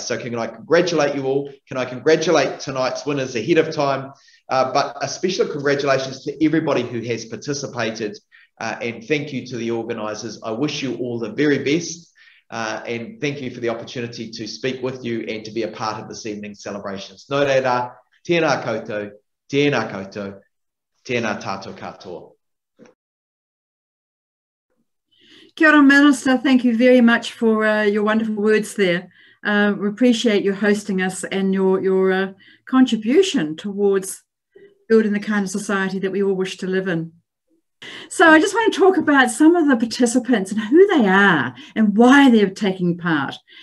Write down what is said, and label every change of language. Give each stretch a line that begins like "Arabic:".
English: So can I congratulate you all? Can I congratulate tonight's winners ahead of time? But a special congratulations to everybody who has participated, and thank you to the organisers. I wish you all the very best, and thank you for the opportunity to speak with you and to be a part of this evening's celebrations.
Māori: Nō reira, tēnā koutou, tēnā koutou, tēnā tātou katoa.
English: Kia ora, Minister. Thank you very much for your wonderful words there. We appreciate you hosting us and your contribution towards building the kind of society that we all wish to live in. So I just want to talk about some of the participants and who they are and why they're taking part.